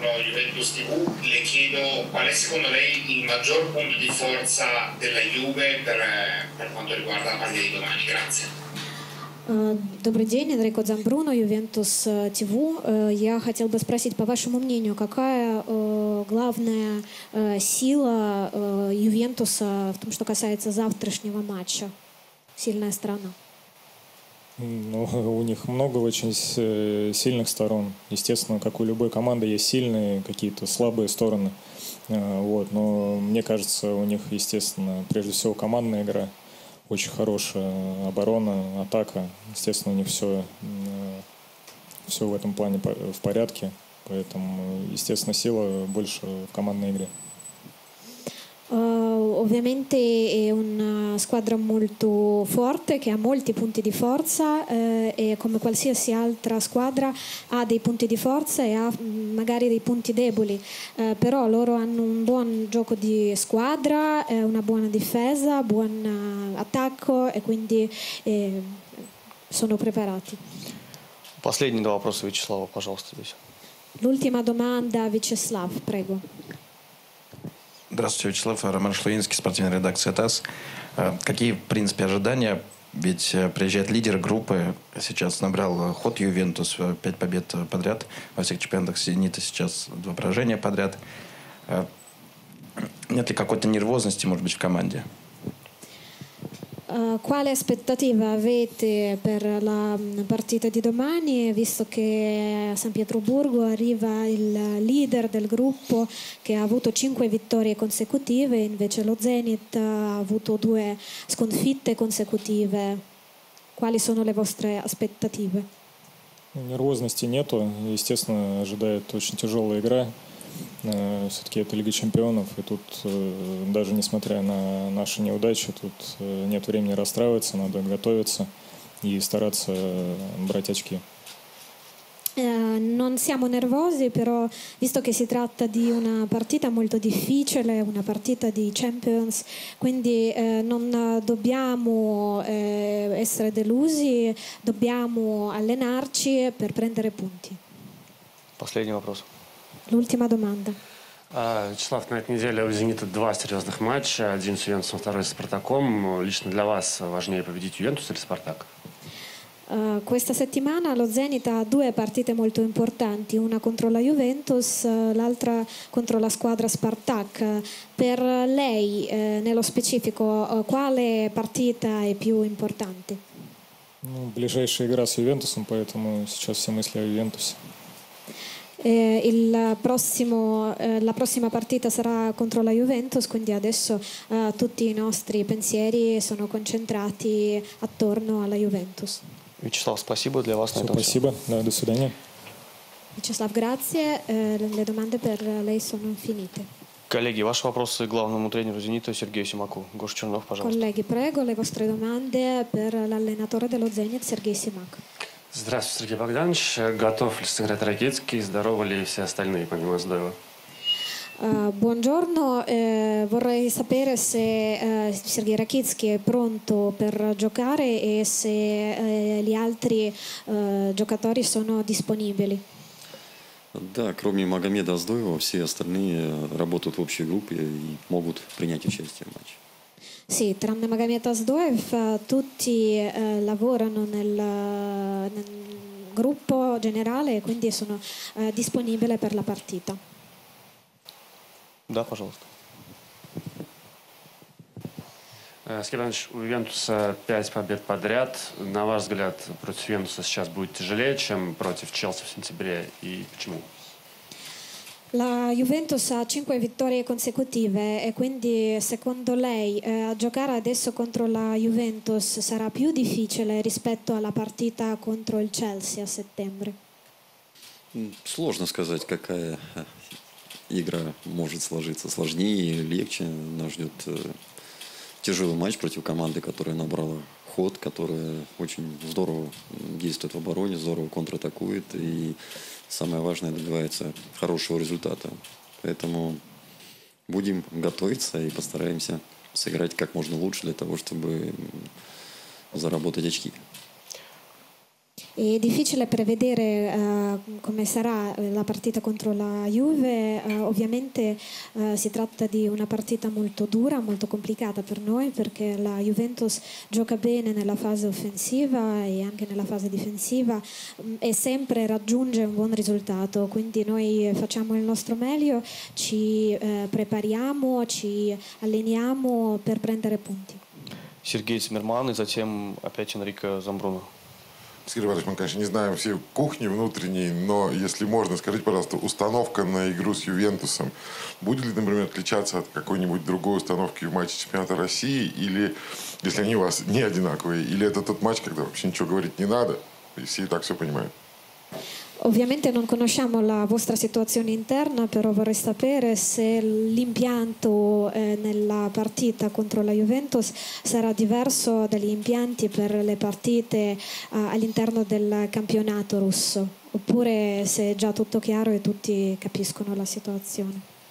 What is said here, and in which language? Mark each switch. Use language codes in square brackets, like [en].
[it] Juventus TV, le chiedo qual è secondo lei il maggior punto di forza della Juve per quanto riguarda la partita di domani. Grazie. [ru] Добрый день, Enrico Zambruno, Juventus TV. Я хотел бы спросить, по вашему мнению, какая главная сила Ювентуса в том, что касается завтрашнего матча? Сильная сторона. Ну, у них много очень сильных сторон. Естественно, как у любой команды, есть сильные, какие-то слабые стороны. Вот. Но мне кажется, у них, естественно, прежде всего командная игра, очень хорошая оборона, атака. Естественно, у них все в этом плане в порядке. Поэтому, естественно, сила больше в командной игре. [it] Ovviamente è una squadra molto forte che ha molti punti di forza e come qualsiasi altra squadra ha dei punti di forza e ha magari dei punti deboli, però loro hanno un buon gioco di squadra, una buona difesa, buon attacco e quindi sono preparati. [ru] Последние два вопроса Вячеслава, пожалуйста, здесь. [it] L'ultima domanda, Вячеслав, prego. [ru] Здравствуйте, Вячеслав. Роман Шлуинский, спортивная редакция ТАСС. Какие, в принципе, ожидания? Ведь приезжает лидер группы, сейчас набрал ход Ювентус, 5 побед подряд во всех чемпионатах, Зенита сейчас 2 поражения подряд. Нет ли какой-то нервозности, может быть, в команде? [it] Quale aspettativa avete per la partita di domani, visto che a San Pietroburgo arriva il leader del gruppo che ha avuto 5 vittorie consecutive, invece lo Zenit ha avuto 2 sconfitte consecutive. Quali sono le vostre aspettative? [ru] Нервозности нету, естественно, ожидает очень тяжелая игра. Все-таки это Лига чемпионов, и тут даже несмотря на наши неудачи, тут нет времени расстраиваться, надо готовиться и стараться брать очки. [it] Non siamo nervosi, però visto che si tratta di una partita molto difficile, una partita di Champions, quindi non dobbiamo essere delusi, dobbiamo allenarci per prendere punti. [ru] Последний вопрос. [it] L'ultima domanda. [ru] Вячеслав, на этой неделе у «Зенита» 2 серьезных матча. Один с «Ювентусом», второй с «Спартаком». Лично для вас важнее победить «Ювентус» или «Спартак»? [it] Questa settimana lo Zenit ha 2 partite molto importanti, una contro la Juventus, l'altra contro la squadra Spartak. Per lei, nello specifico, quale partita è più importante? [ru] Ну, ближайшая игра с «Ювентусом», поэтому сейчас все мысли о «Ювентусе». [it] La prossima partita sarà contro la Juventus, quindi adesso tutti i nostri pensieri sono concentrati attorno alla Juventus. [ru] Вячеслав, спасибо для вас. Спасибо, до свидания. [it] Вячеслав, grazie. Le domande per lei sono finite. [ru] Коллеги, ваши вопросы главному тренеру «Зенита» Сергею Симаку. Гоша Чернов, пожалуйста. Коллеги, [it] prego, le vostre domande per l'allenatore dello Zenit Сергей Симак. [ru] Здравствуйте, Сергей Богданович. Готов ли сыграть Ракицкий? Здоровы ли все остальные, помимо Здоева? [it] Buongiorno. Vorrei sapere se Сергей Ракицкий è pronto per giocare e se gli altri giocatori sono disponibili. [ru] Да, кроме Магомеда Здоева, все остальные работают в общей группе и могут принять участие в матче. [it] Sì, tranne Magomed Ashdoev, tutti lavorano nel gruppo generale e quindi sono disponibili per la partita. [ru] Да, пожалуйста. Скепанович, у Ювентуса 5 побед подряд. На ваш взгляд, против Ювентуса сейчас будет тяжелее, чем против Челси в сентябре, и почему? [it] La Juventus ha 5 vittorie consecutive e quindi secondo lei giocare adesso contro la Juventus sarà più difficile rispetto alla partita contro il Chelsea a settembre? [ru] Сложно сказать, какая игра может сложиться сложнее или легче. Нас ждет тяжелый матч против команды, которая набрала ход, которая очень здорово действует в обороне, здорово контратакует и самое важное, добивается хорошего результата. Поэтому будем готовиться и постараемся сыграть как можно лучше для того, чтобы заработать очки. [it] È difficile prevedere come sarà la partita contro la Juve. Ovviamente si tratta di una partita molto dura, molto complicata per noi, perché la Juventus gioca bene nella fase offensiva e anche nella fase difensiva e sempre raggiunge un buon risultato. Quindi noi facciamo il nostro meglio, ci prepariamo, ci alleniamo per prendere punti. [ru] Сергей Цимерман, и затем опять Энрико Замбруно. Сергей Иванович, мы, конечно, не знаем все кухни внутренней, но если можно, скажите, пожалуйста, установка на игру с Ювентусом будет ли, например, отличаться от какой-нибудь другой установки в матче чемпионата России, или если они у вас не одинаковые, или это тот матч, когда вообще ничего говорить не надо, и все и так все понимают? [it] Ovviamente non conosciamo la vostra situazione interna, però vorrei sapere se l'impianto nella partita contro la Juventus sarà diverso dagli impianti per le partite all'interno del campionato russo, oppure se è già tutto chiaro e tutti capiscono la situazione.